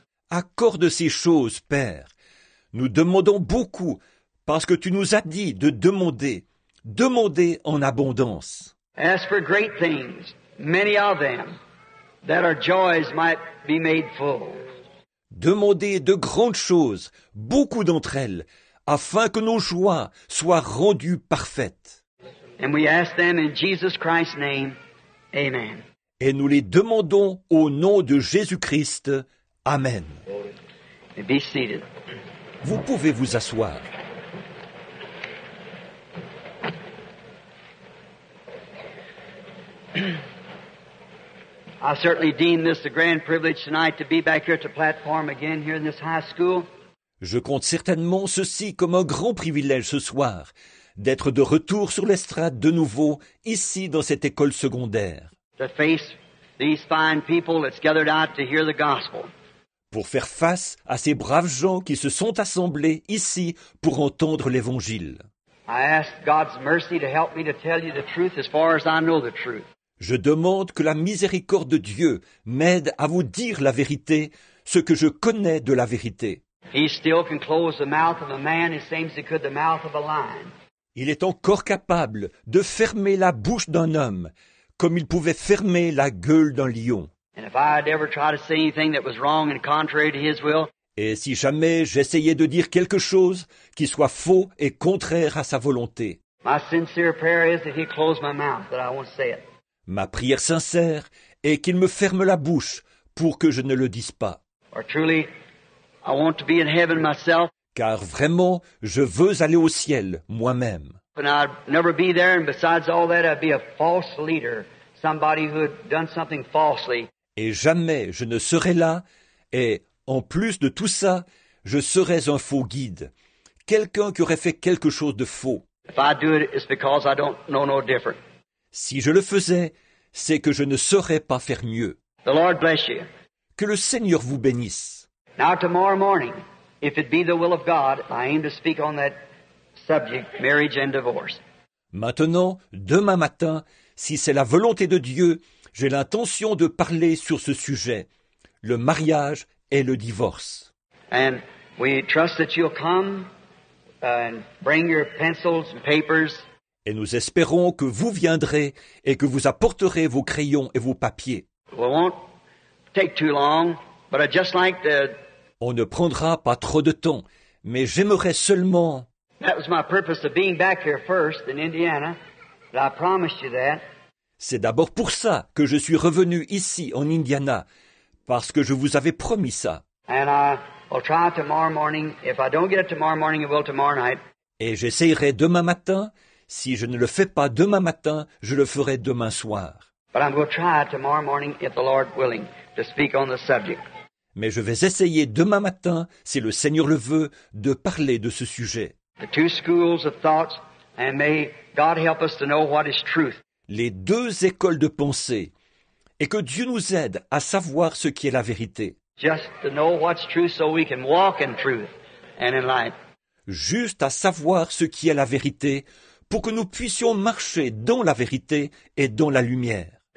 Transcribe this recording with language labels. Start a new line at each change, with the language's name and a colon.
French: Accorde ces choses, Père. Nous demandons beaucoup parce que tu nous as dit de demander, demander en abondance.
English: Ask for great things, many of them, that our joys might be made full.
French: Demandez de grandes choses, beaucoup d'entre elles, afin que nos joies soient rendues parfaites.
English: And we ask them in Jesus Christ's name, amen.
French: Et nous les demandons au nom de Jésus-Christ, amen.
English: And be seated.
French: Vous pouvez vous asseoir.
English: I certainly deem this a grand privilege tonight to be back here at the platform again here in this high school.
French: Je compte certainement ceci comme un grand privilège ce soir, d'être de retour sur l'estrade de nouveau ici dans cette école secondaire.
English: To face these fine people that's gathered out to hear the gospel.
French: Pour faire face à ces braves gens qui se sont assemblés ici pour entendre l'Évangile.
English: I ask God's mercy to help me to tell you the truth as far as I know the truth.
French: Je demande que la miséricorde de Dieu m'aide à vous dire la vérité, ce que je connais de la vérité.
English: He still can close the mouth of a man as same as he could the mouth of a lion.
French: Il est encore capable de fermer la bouche d'un homme comme il pouvait fermer la gueule d'un lion.
English: And if I had ever tried to say anything that was wrong and contrary to his will,
French: et si jamais j'essayais de dire quelque chose qui soit faux et contraire à sa volonté,
English: my sincere prayer is that he close my mouth, that I won't say it.
French: Ma prière sincère est qu'il me ferme la bouche pour que je ne le dise pas.
English: Or truly, I want to be in heaven myself.
French: Car vraiment, je veux aller au ciel moi-même.
English: And I'd never be there, and besides all that, I'd be a false leader. Somebody who had done something falsely.
French: Et jamais je ne serai là, et en plus de tout ça, je serais un faux guide, quelqu'un qui aurait fait quelque chose de faux.
English: If I do it, it's because I don't know no different.
French: Si je le faisais, c'est que je ne saurais pas faire mieux.
English: The Lord bless you.
French: Que le Seigneur vous bénisse.
English: Now tomorrow morning, if it be the will of God, I aim to speak on that subject, marriage and divorce.
French: Maintenant, demain matin, si c'est la volonté de Dieu, j'ai l'intention de parler sur ce sujet, le mariage et le divorce.
English: And we trust that you'll come and bring your pencils and papers.
French: Et nous espérons que vous viendrez et que vous apporterez vos crayons et vos papiers.
English: We won't take too long, but I'd just like to...
French: On ne prendra pas trop de temps, mais j'aimerais seulement...
English: That was my purpose of being back here first in Indiana. I promised you that.
French: C'est d'abord pour ça que je suis revenu ici en Indiana, parce que je vous avais promis ça.
English: And I will try tomorrow morning. If I don't get it tomorrow morning, I will tomorrow night.
French: Et j'essaierai demain matin. Si je ne le fais pas demain matin, je le ferai demain soir.
English: But I'm going to try tomorrow morning, if the Lord willing, to speak on the subject.
French: Mais je vais essayer demain matin, si le Seigneur le veut, de parler de ce sujet.
English: The two schools of thought, and may God help us to know what is truth.
French: Les deux écoles de pensée, et que Dieu nous aide à savoir ce qui est la vérité.
English: Just to know what's true so we can walk in truth and in light.
French: Juste à savoir ce qui est la vérité pour que nous puissions marcher dans la vérité et dans la lumière.